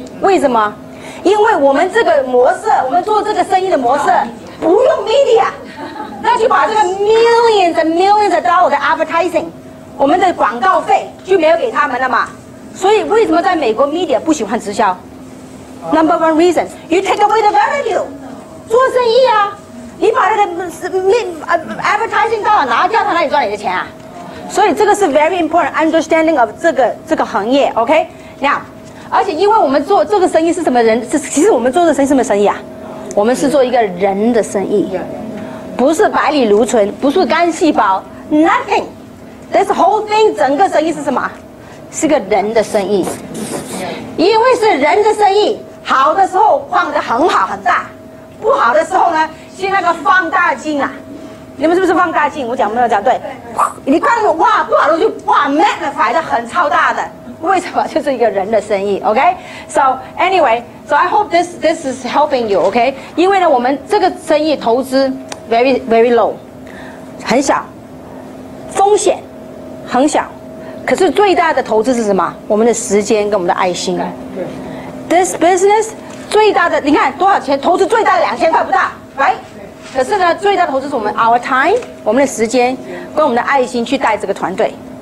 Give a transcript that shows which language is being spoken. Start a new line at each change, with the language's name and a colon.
Chinese: 为什么？因为我们这个模式，我们做这个生意的模式不用 media， 那就把这个
English: millions and millions of dollars
Chinese: 的 advertising， 我们的广告费就没有给他们了嘛。所以为什么在美国 media 不喜欢直销？
English: Number one reason， you take away the value，
Chinese: 做生意啊，你把那个 advertising dollar 拿掉，他哪里赚你的钱啊？所以这个是
English: very important understanding of
Chinese: 这个行业 ，OK？
English: Now，
Chinese: 而且因为我们做这个生意是什么人？其实我们做的生意是什么生意啊？我们是做一个人的生意，不是百里芦醇，不是肝细胞 ，
English: nothing。 This whole thing
Chinese: 整个生意是什么？是个人的生意。因为是人的生意，好的时候放得很好很大，不好的时候呢，是那个放大镜啊。你们是不是放大镜？我讲没有讲对？你看我哇，不好的就哇 ，magnify 的很超大的。为什么？就是一个人的生意 ，OK？
English: So anyway， so I hope this is helping you， OK？
Chinese: 因为呢，我们这个生意投资
English: very very low，
Chinese: 很小，风险很小，可是最大的投资是什么？我们的时间跟我们的爱心。
English: This business
Chinese: 最大的，你看多少钱？投资最大的2000块不到 ，
English: Right？
Chinese: 可是呢，最大的投资是我们
English: our time，
Chinese: 我们的时间跟我们的爱心去带这个团队。